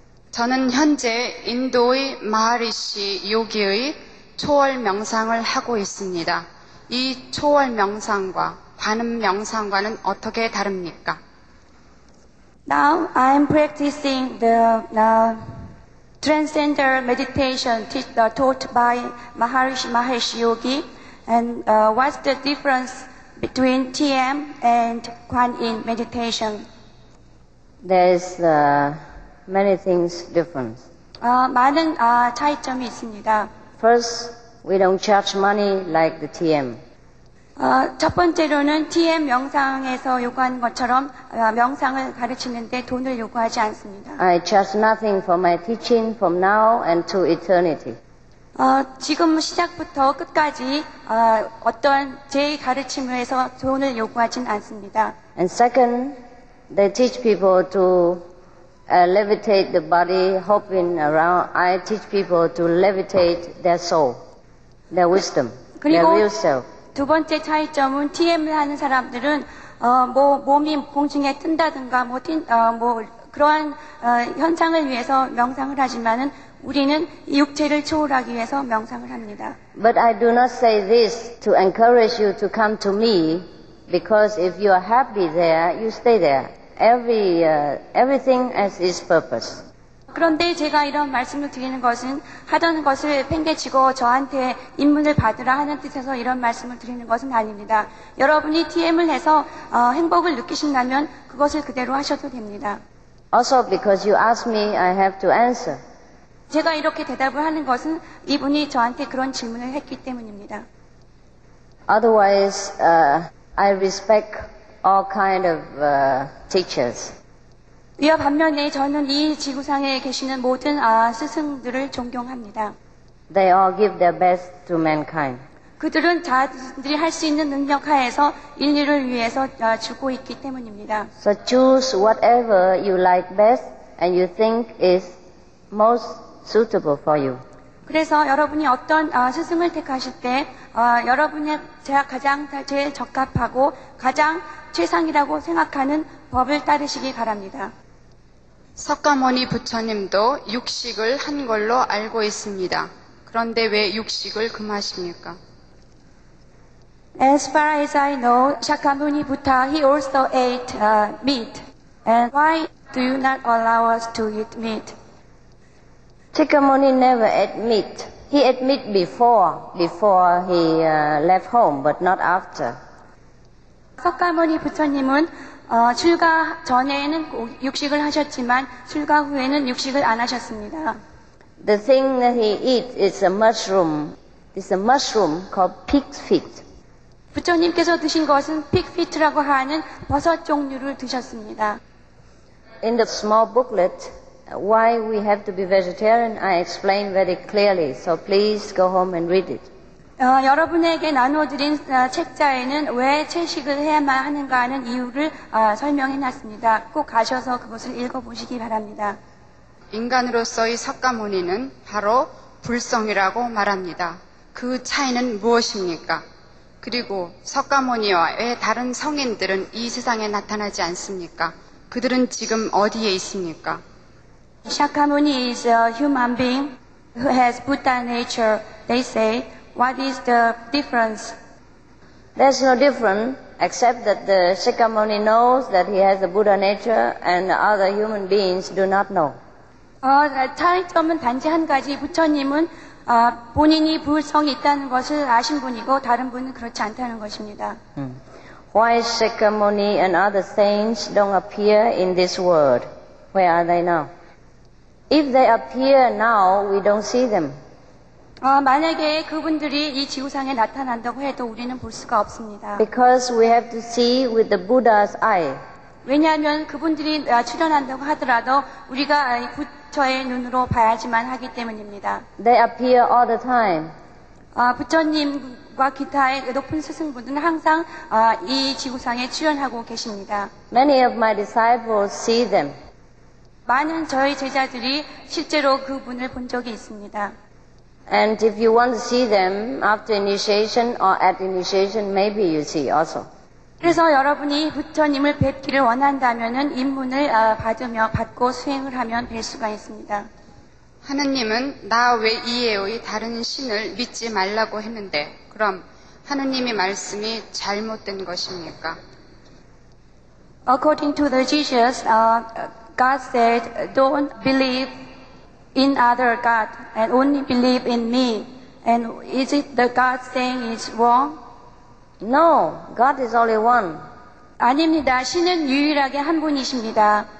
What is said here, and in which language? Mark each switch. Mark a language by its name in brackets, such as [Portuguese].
[Korean] 저는 현재 인도의 마하리시 요기의 초월 명상을 하고 있습니다. 이 초월 명상과 관음 명상과는 어떻게 다릅니까? [English] Now I'm practicing the transcendental meditation taught by Maharishi Mahesh Yogi. And what's the difference between TM and Kuan Yin meditation? There's many things different. [Korean] 많은 차이점이 있습니다. [English] First, we don't charge money like the TM. [Korean] 첫 번째로는 TM 명상에서 요구하는 것처럼 명상을 가르치는데 돈을 요구하지 않습니다. [English] I charge nothing for my teaching from now and to eternity. [Korean] 지금 시작부터 끝까지 어떤 제 가르침을 해서 돈을 요구하진 않습니다. [English] And second, they teach people to levitate the body hopping around. I teach people to levitate their soul, their wisdom, their real self. [Korean] 두 번째 차이점은 TM을 하는 사람들은 몸이 공중에 뜬다든가 그러한 현상을 위해서 명상을 하지만은 우리는 육체를 초월하기 위해서 명상을 합니다. [English] But I do not say this to encourage you to come to me because if you are happy there, you stay there. Everything has its purpose. [Korean] 그런데 제가 이런 말씀을 드리는 것은 하던 것을 팽개치고 저한테 입문을 받으라 하는 뜻에서 이런 말씀을 드리는 것은 아닙니다. 여러분이 TM을 해서 행복을 느끼신다면 그것을 그대로 하셔도 됩니다. [English] Also because you asked me, I have to answer. [Korean] 제가 이렇게 대답을 하는 것은 이분이 저한테 그런 질문을 했기 때문입니다. [English] Otherwise, I respect all kind of teachers. [Korean] 이와 반면에 저는 이 지구상에 계시는 모든 스승들을 존경합니다. [English] They all give their best to mankind. [Korean] 그들은 자신들이 할 수 있는 능력 하에서 인류를 위해서 주고 있기 때문입니다. [English] So choose whatever you like best and you think is most suitable for you. [Korean] 그래서 여러분이 어떤 스승을 택하실 때 여러분의 가장 제일 적합하고 가장 최상이라고 생각하는 법을 따르시기 바랍니다. 석가모니 부처님도 육식을 한 걸로 알고 있습니다. 그런데 왜 육식을 금하십니까? [English] As far as I know, Shakyamuni Buddha, he also ate meat. And why do you not allow us to eat meat? Shakyamuni never ate meat. He ate meat before he left home, but not after. [Korean] 석가모니 부처님은 출가 전에는 육식을 하셨지만 출가 후에는 육식을 안 하셨습니다. [English] The thing that he eats is a mushroom. It's a mushroom called pig feet. [Korean] 부처님께서 드신 것은 pig feet라고 하는 버섯 종류를 드셨습니다. [English] In the small booklet, why we have to be vegetarian, I explain very clearly. So please go home and read it. [Korean] 여러분에게 나눠드린 책자에는 왜 채식을 해야만 하는가 하는 이유를 설명해놨습니다. 꼭 가셔서 그것을 읽어보시기 바랍니다. 인간으로서의 석가모니는 바로 불성이라고 말합니다. 그 차이는 무엇입니까? 그리고 석가모니와 왜 다른 성인들은 이 세상에 나타나지 않습니까? 그들은 지금 어디에 있습니까? [English] Shakyamuni is a human being who has Buddha nature, they say. What is the difference? There's no difference except that the Shakyamuni knows that he has a Buddha nature and other human beings do not know. [Korean] 차이점은 단지 한 가지. 부처님은 본인이 불성이 있다는 것을 아신 분이고 다른 분은 그렇지 않다는 것입니다. [English] Why Shakyamuni and other saints don't appear in this world? Where are they now? If they appear now, we don't see them. [Korean] 만약에 그분들이 이 지구상에 나타난다고 해도 우리는 볼 수가 없습니다. [English] Because we have to see with the Buddha's eye. [Korean] 왜냐하면 그분들이 출현한다고 하더라도 우리가 부처의 눈으로 봐야지만 하기 때문입니다. [English] They appear all the time. [Korean] 부처님과 기타의 높은 스승분들은 항상 이 지구상에 출현하고 계십니다. [English] Many of my disciples see them. [Korean] 많은 저희 제자들이 실제로 그분을 본 적이 있습니다. [English] And if you want to see them after initiation or at initiation, maybe you see also. [Korean] 그래서 여러분이 부처님을 뵙기를 원한다면은 입문을 받으며 받고 수행을 하면 뵐 수가 있습니다. 하느님은 나 외이외의 다른 신을 믿지 말라고 했는데 그럼 하느님의 말씀이 잘못된 것입니까? [English] According to the Jesus, God said, "Don't believe in other God and only believe in me." And is it the God saying is wrong? No, God is only one. [Korean] 아닙니다. 신은 유일하게 한 분이십니다.